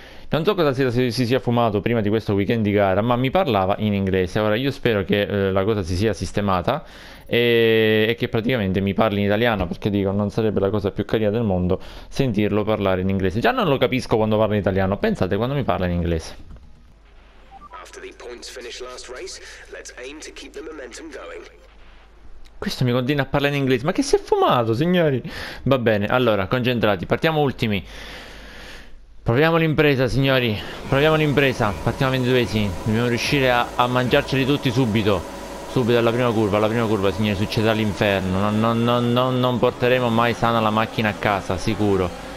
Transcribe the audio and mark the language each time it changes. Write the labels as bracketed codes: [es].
[it] Non so cosa si sia fumato prima di questo weekend di gara, ma mi parlava in inglese. Ora io spero che la cosa si sia sistemata e che praticamente mi parli in italiano, perché dico, non sarebbe la cosa più carina del mondo sentirlo parlare in inglese. Già non lo capisco quando parla in italiano, pensate quando mi parla in inglese. [en] After the points finish last race, let's aim to keep the momentum going. [it] Questo mi continua a parlare in inglese. Ma che si è fumato, signori? Va bene, allora, concentrati. Partiamo ultimi. Proviamo l'impresa, signori. Proviamo l'impresa. Partiamo 22esimi. Dobbiamo riuscire a mangiarceli tutti subito. Subito alla prima curva. Alla prima curva, signori, succederà l'inferno. Non porteremo mai sana la macchina a casa, sicuro.